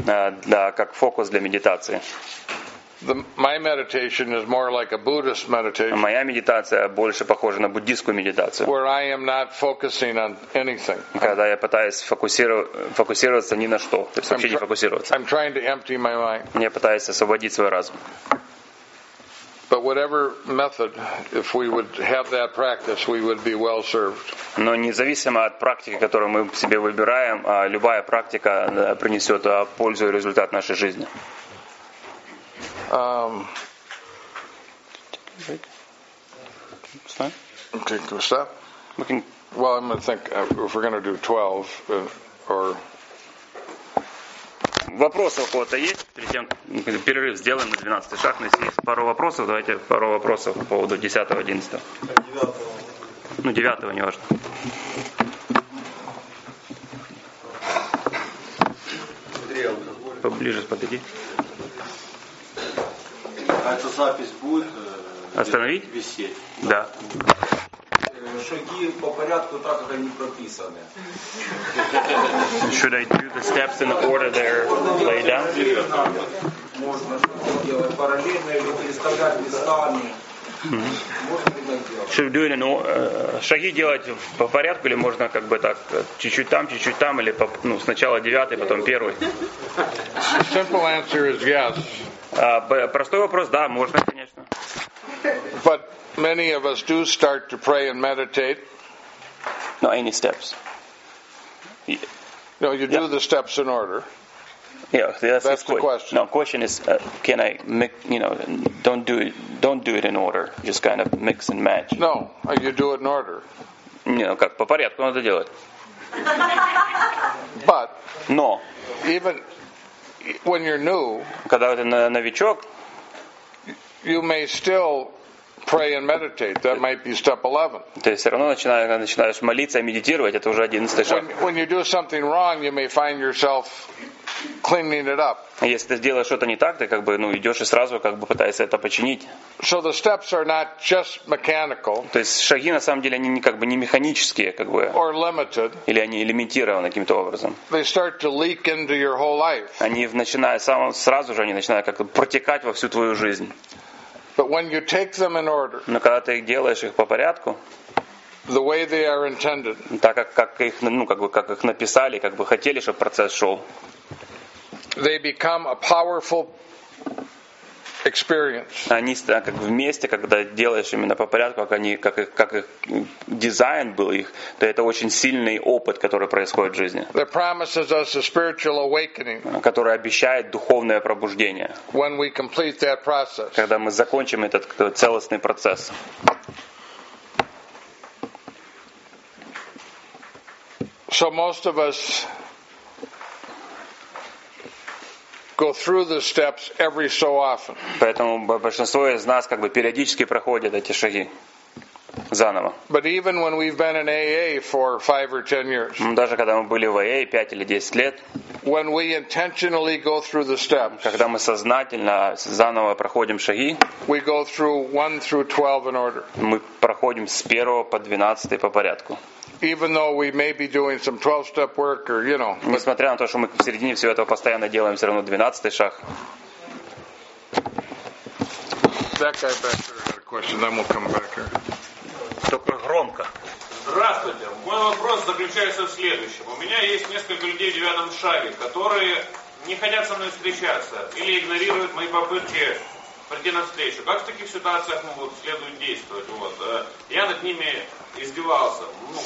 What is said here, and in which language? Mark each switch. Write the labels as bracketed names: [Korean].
[Russian] Как фокус для медитации. [English] My meditation is more like a Buddhist meditation. [Russian] Моя медитация больше похожа на буддийскую медитацию. [English] Where I am not focusing on anything. [Russian] Когда я пытаюсь фокусироваться ни на что, то есть вообще не фокусироваться. [English] I'm trying to empty my mind. [Russian] Я пытаюсь освободить свой разум. [English] But whatever method, if we would have that practice, we would be well served. [Russian] Но независимо от практики, которую мы себе выбираем, любая практика принесет пользу и результат нашей жизни. [English] Well, I'm gonna think if we're gonna do 12 or. [Russian] Вопросов у кого-то есть? Перед тем, как перерыв сделаем на 12-й шаг, но если есть пару вопросов, давайте пару вопросов по поводу 10-го, 11-го. 9-го. Ну, 9-го, неважно. Поближе подойди. А эта запись будет? Остановить? Висеть. Да. [English] Should I do the steps in the order they're laid down? [Russian] Можно делать параллельно или переставлять местами. Что делать? Ну, шаги делать по порядку или можно как бы так чуть-чуть там или по, ну, сначала девятый, потом первый? [English] Simple answer is yes. [Russian] Простой вопрос, да, можно, конечно. [English] But many of us do start to pray and meditate. No, any steps. No, you do the steps in order. Yeah, that's the question. No, question is, can I make, you know, don't do it in order. Just kind of mix and match. No, you do it in order. You know, [Russian] как по порядку надо делать. [English] But. No. Even when you're new. [Russian] Когда ты новичок. [English] You may still pray and meditate. That might be step 11. [Russian] Ты все равно начинаешь молиться и медитировать. Это уже 11 шаг. [English] When you do something wrong, you may find yourself cleaning it up. [Russian] Если ты сделаешь что-то не так, ты как бы, ну, идешь и сразу как бы пытаешься это починить. [English] So the steps are not just mechanical. [Russian] То есть шаги на самом деле они не как бы не механические, как бы. [English] Or limited. [Russian] Или они лимитированы каким-то образом. [English] They start to leak into your whole life. [Russian] Они начинают сразу же они начинают как-то протекать во всю твою жизнь. [English] But when you take them in order. [Russian] Но когда ты их делаешь их по порядку. [English] The way they are intended. [Russian] Так как их, ну, как бы как их написали, как бы хотели, чтобы процесс шел. [English] They become a powerful experience. [Russian] Они как вместе, когда делаешь именно по порядку, как их дизайн был их, то это очень сильный опыт, который происходит в жизни. [English] That promises us a spiritual awakening. [Russian] Который обещает духовное пробуждение. [English] When we complete that process. [Russian] Когда мы закончим этот целостный процесс. [English] So most of us go through the steps every so often. [Russian] Поэтому большинство из нас как бы периодически проходят эти шаги заново. [English] But even when we've been in AA for 5 or 10 years. [Russian] Даже когда мы были в АА 5 или 10 лет. [English] When we intentionally go through the steps. [Russian] Когда мы сознательно заново проходим шаги. [English] We go through 1 through 12 in order. [Russian] Мы проходим с 1 по 12 по порядку. [English] Even though we may be doing some 12-step work, or you know, [Russian] несмотря на то, что мы в середине всего этого постоянно делаем, все равно 12-й шаг. [English] That guy back there had a question. Then we'll come back here. [Russian] Только громко. Здравствуйте. Мой вопрос заключается в следующем. У меня есть несколько людей в 9-м шаге, которые не хотят со мной встречаться или игнорируют мои попытки прийти на встречу. Как в таких ситуациях могут следует действовать? Вот. Я над ними издевался, ну,